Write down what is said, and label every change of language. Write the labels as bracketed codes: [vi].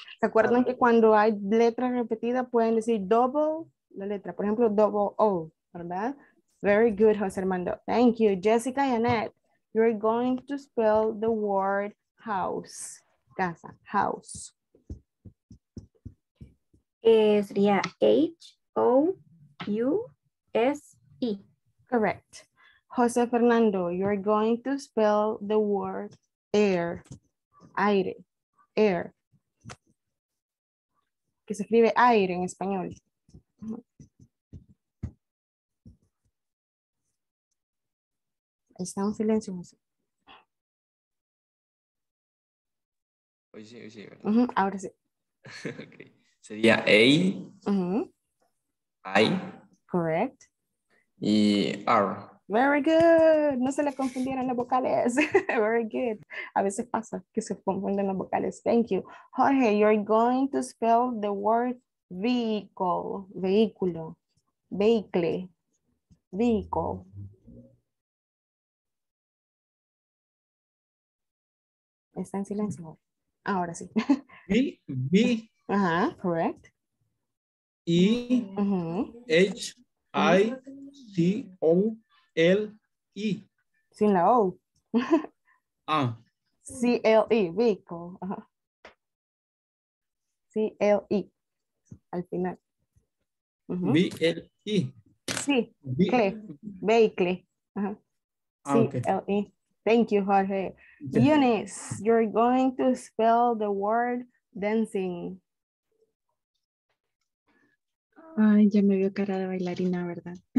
[es] ¿Se acuerdan que cuando hay letra repetida pueden decir double la letra? Por ejemplo, [en] double O, ¿verdad? Very good, José Armando. Thank you. Jessica y Annette, you're going to spell the word house. [es] Casa, house. Sería H-O-U-S-E. [en] Correct. José Fernando, you're going to spell the word air. [es] Aire. Air. Que se escribe aire en español. Está en silencio. Oye, sí, oye, ¿verdad? Uh-huh, ahora sí. Okay. Sería A. Uh-huh. [en] I. Correct. [es] Y R. [en] Very good. [es] No se le confundieron las vocales. Very good. A veces pasa que se confunden las vocales. [en] Thank you. Jorge, you're going to spell the word vehicle. Vehículo. Vehicle. Vehicle. [es] Está en silencio. Ahora sí. [en] V. Ajá, correct. E. Uh-huh. H. I. C. O. L-E. [es] Sin la O. Ah. [en] C-L-E, vehicle. Ajá. C-L-E, [es] al final. [en] Uh-huh. V-L-E. [es] Sí, vehicle. Ah, [en] C-L-E. Thank you, Jorge. Yeah. Eunice, you're going to spell the word dancing. [es] Ay, ya me vio cara de bailarina, ¿verdad?